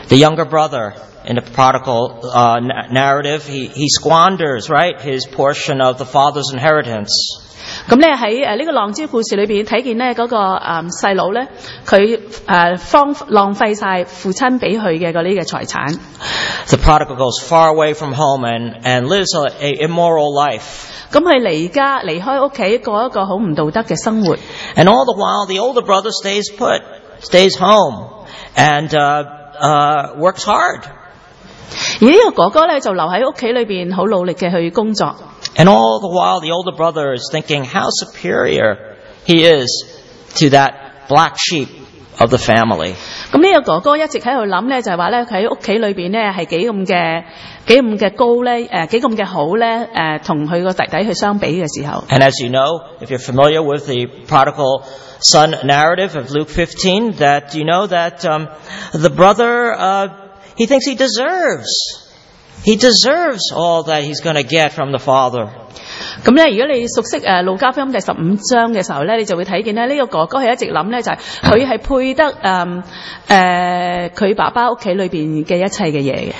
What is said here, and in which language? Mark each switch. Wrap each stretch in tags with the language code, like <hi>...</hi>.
<en>The younger brother in the prodigal narrative, he squanders, right, his portion of the father's inheritance.</en> <yue>咁咧喺呢个浪子故事里边睇见咧嗰、那个细佬咧，佢浪费晒父亲俾佢嘅嗰啲嘅财产。</yue> <en>The prodigal goes far away from home and lives a immoral life。</en> <yue>咁佢离家离开屋企，过一个好唔道德嘅生活。</yue> <en>And all the while, the older brother stays put, stays home, and works hard。</en> <yue>而呢个哥哥咧就留喺屋企里边，好努力嘅去工作。</yue> <en>And all the while, the older brother is thinking how superior he is to that black sheep of the family.</en> <yue>咁呢个哥哥一直喺度谂咧，就系话咧，佢喺屋企里边咧系几咁嘅高咧，几咁嘅好咧，同佢个弟弟去相比嘅时候。</yue> <en>And as you know, if you're familiar with the prodigal son narrative of Luke 15, that you know that the brother he thinks he deserves. He deserves all that he's going to get from the father.</en> <yue>咁咧，如果你熟悉路加福音第十五章嘅时候咧，你就会睇见咧呢个哥哥系一直谂咧，就系佢系配得佢爸爸屋企里边嘅一切嘅嘢嘅。</yue>